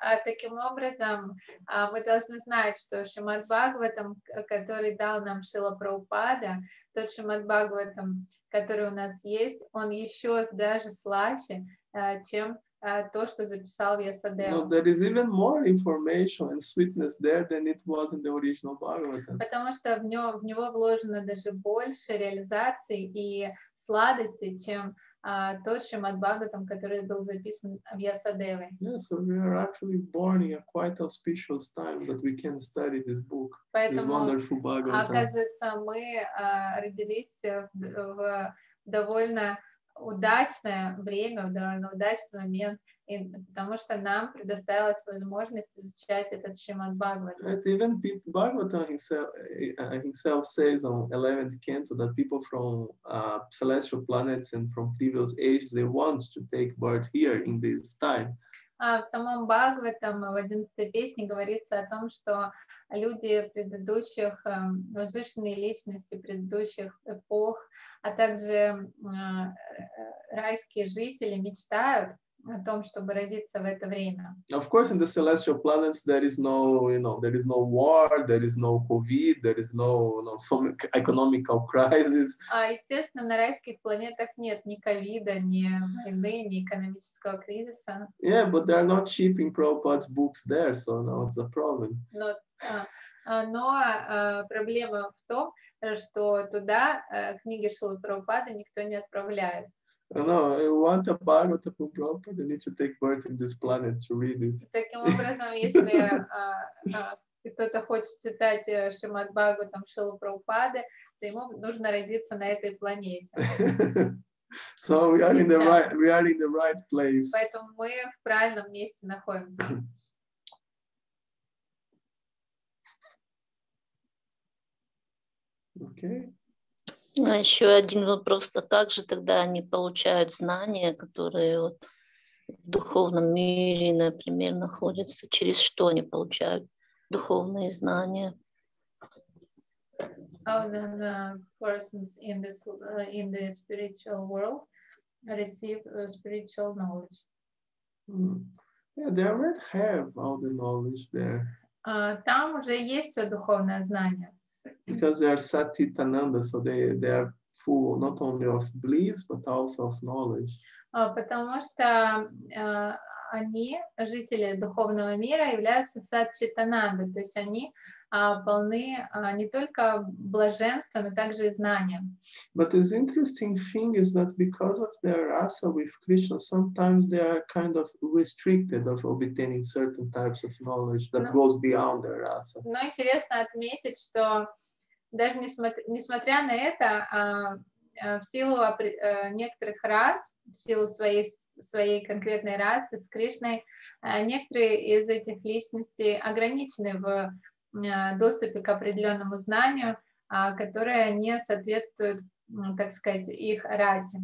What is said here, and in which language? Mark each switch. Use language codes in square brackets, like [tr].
[ru] Таким образом, мы должны знать, что Шримад Бхагаватам, который дал нам Шрила Прабхупада, тот Шримад Бхагаватам, который у нас есть, он еще даже слаще, чем то, что записал Vyasadeva. [en] No, there is even more information and sweetness there than it was in the original Bhagavatam. [ru] Потому что в него вложено даже больше реализации и сладости, чем тот Шримад Бхагаватам, который был записан в Vyasadeva. [en] Yes, so we are actually born in a quite auspicious time that we can study this book. [ru] Поэтому, [en] this wonderful Bhagavatam. [ru] Оказывается, мы родились в довольно удачное время, в довольно удачный момент, и, потому что нам предоставилась возможность изучать этот Шримад Бхагаватам. [en] Right, even Bhagavatam himself says on 11th canto that people from celestial planets and from previous ages, they want to take birth here in this time. [ru] В самом Бхагаватам в 11-й песне говорится о том, что люди предыдущих, возвышенные личности предыдущих эпох, а также райские жители мечтают о том, чтобы родиться в это время. [en] Of course, in the celestial planets there is no, you know, there is no war, there is no COVID, there is no, you know, some economical crisis. [ru] Естественно, на райских планетах нет ни ковида, ни войны, ни экономического кризиса. [en] Yeah, but they are not shipping Prabhupada's books there, so now it's a problem. [ru] Но проблема в том, что туда книги Шрилы Прабхупады никто не отправляет. [en] No, you want a Bhagavatam from Prabhupada, you need to take birth in this planet to read it. [ru] Таким образом, если кто-то хочет читать Шримад Бхагаватам Шрилы Прабхупады, ему нужно родиться на этой планете. [en] So we are in the right, we are in the right place. [ru] Поэтому мы в правильном месте находимся. [en] Okay. [ru] А еще один вопрос: а как же тогда они получают знания, которые вот в духовном мире, например, находятся? Через что они получают духовные знания? [en] How the persons in this in the spiritual world receive spiritual knowledge? Mm. Yeah, they already have all the knowledge there. [ru] Там уже есть все духовное знание. [en] Because they are satitananda, so they are full not only of bliss but also of knowledge. [ru] Потому что они жители духовного мира являются сатчитананда, то есть они полны не только блаженства, но также и знания. [en] But the interesting thing is that because of their rasa with Krishna, sometimes they are kind of restricted of obtaining certain types of knowledge that goes beyond their rasa. [ru] Но интересно отметить, что даже несмотря на это, в силу некоторых рас, в силу своей конкретной расы с Кришной, некоторые из этих личностей ограничены в доступе к определенному знанию, которое не соответствует, так сказать, их расе.